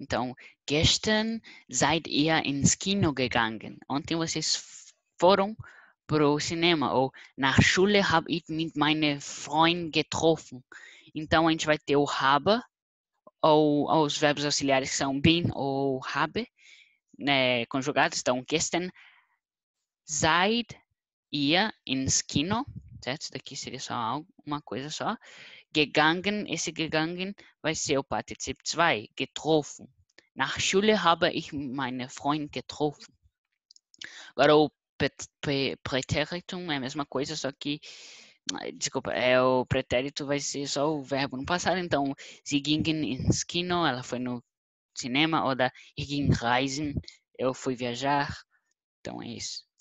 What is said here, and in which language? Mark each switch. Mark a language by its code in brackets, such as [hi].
[pt] Então, [de] gestern seid ihr ins Kino gegangen. [pt] Ontem vocês foram pro cinema. Ou [de] nach Schule habe ich mit meinen Freunden getroffen. [pt] Então, a gente vai ter o habe, ou os verbos auxiliares que são bin ou habe, né, conjugados. Então, [de] gestern seid ihr ins Kino, [pt] certo? Isso daqui seria só uma coisa só. Gegangen, esse gegangen vai ser o Partizip 2, getroffen. [de] Nach Schule habe ich meine Freund getroffen. [pt] Agora o pretéritum é a mesma coisa, só que. Desculpa, o pretérito vai ser só o verbo no passado. Então, [de] sie gingen ins Kino, [pt] ela foi no cinema, ou [de] da ich ging reisen, [pt] eu fui viajar. Então é isso.